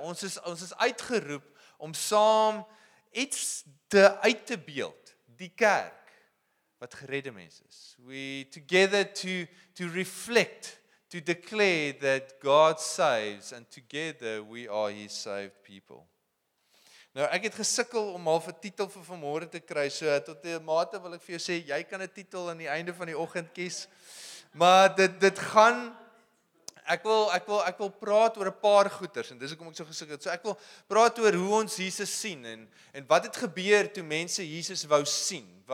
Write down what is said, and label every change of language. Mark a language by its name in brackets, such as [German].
[Afrikaans] Ons is uitgeroep om saam iets uit te beeld, die kerk wat geredde mense is. [English] We together to reflect, to declare that God saves and together we are his saved people. [Afrikaans] Nou ek het gesukkel om half 'n titel vir vanmôre te kry, so tot 'n mate wil ek vir jou sê jy kan 'n titel aan die einde van die oggend kies. Maar dit gaan ek wil praat oor 'n paar goeters en dis hoekom ek so gesukkel het. So ek wil praat oor hoe ons Jesus sien en wat het gebeur toe mense Jesus wou sien,